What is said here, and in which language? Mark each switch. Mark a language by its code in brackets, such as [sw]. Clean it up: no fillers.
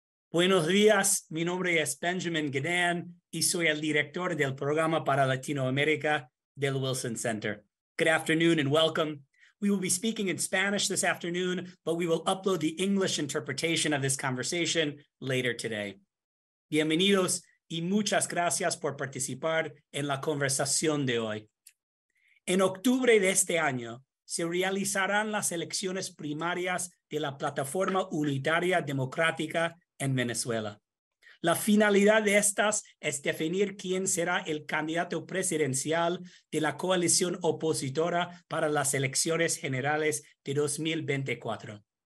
[es] Buenos días, mi nombre es Benjamin Gadan y soy el director del programa para Latinoamérica del Wilson Center. [en] Good afternoon and welcome. We will be speaking in Spanish this afternoon, but we will upload the English interpretation of this conversation later today. [es] Bienvenidos y muchas gracias por participar en la conversación de hoy. En octubre de este año, se realizarán las elecciones primarias de la Plataforma Unitaria Democrática en Venezuela. La finalidad de estas es definir quién será el candidato presidencial de la coalición opositora para las elecciones generales de 2024.